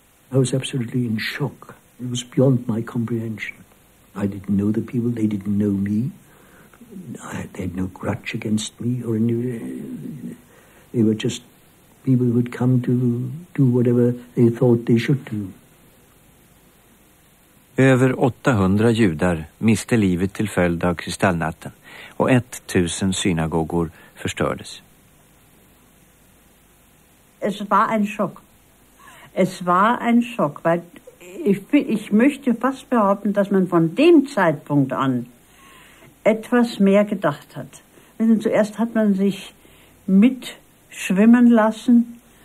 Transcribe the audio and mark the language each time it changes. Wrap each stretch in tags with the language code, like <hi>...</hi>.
<en>I was absolutely in shock. It was beyond my comprehension. I didn't know the people. They didn't know me. They had no grudge against me or any. They were just people who had come to do whatever they thought they should do.</en> <sv>Över 800 judar miste livet till följd av kristallnatten och 1000 synagogor förstördes.</sv> <de>Es war ein Schock. Es war ein Schock, weil ich möchte fast behaupten, dass man von dem Zeitpunkt an etwas mehr gedacht hat. Denn zuerst hat man sich mitschwimmen lassen.</de>